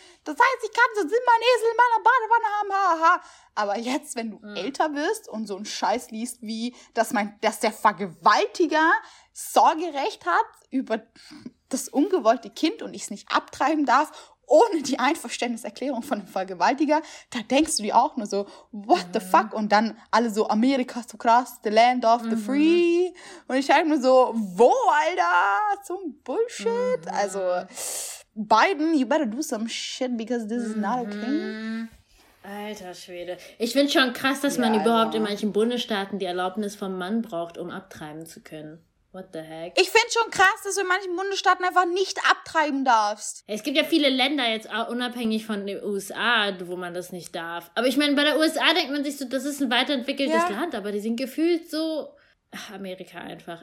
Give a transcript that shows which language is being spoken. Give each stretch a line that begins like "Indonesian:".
German: Das heißt, ich kann so immer einen Esel in meiner Badewanne haben, haha. Aber jetzt, wenn du älter wirst und so einen Scheiß liest, wie, dass der Vergewaltiger Sorgerecht hat über das ungewollte Kind und ich es nicht abtreiben darf, ohne die Einverständniserklärung von einem Vergewaltiger, da denkst du dir auch nur so,
English: what the fuck?
German: Und dann alle so, Amerika ist so krass,
English: the land of the free.
German: Und ich denke nur so, wo, Alter? Zum Bullshit? Mhm.
English: Also, Biden, you better do some shit, because this is not okay.
German: Alter Schwede. Ich finde schon krass, dass man überhaupt in manchen Bundesstaaten die Erlaubnis vom Mann braucht, um abtreiben zu können.
English: What the heck?
German: Ich finde schon krass, dass du in manchen Bundesstaaten einfach nicht abtreiben darfst. Es gibt ja viele Länder jetzt unabhängig von den USA, wo man das nicht darf. Aber ich meine, bei der USA denkt man sich so, das ist ein weiterentwickeltes Land, aber die sind gefühlt so Amerika einfach.